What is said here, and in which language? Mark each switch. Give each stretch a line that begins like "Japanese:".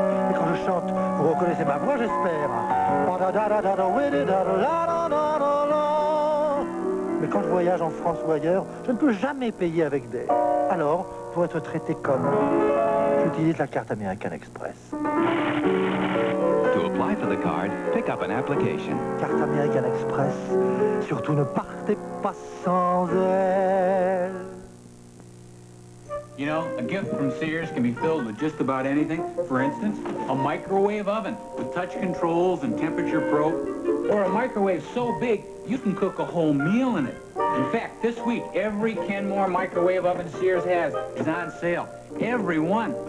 French: Et quand je chante, vous reconnaissez ma voix, j'espère. Mais quand je voyage en France ou ailleurs, je ne peux jamais payer avec des. Alors, pour être traité comme, j'utilise la carte American Express.
English: To apply for the card, pick up an application.
French: Carte American Express, surtout ne partez pas sans elle.
English: You know, a gift from Sears can be filled with just about anything. For instance, a microwave oven with touch controls and temperature probe. Or a microwave so big, you can cook a whole meal in it. In fact, this week, every Kenmore microwave oven Sears has is on sale. Every one.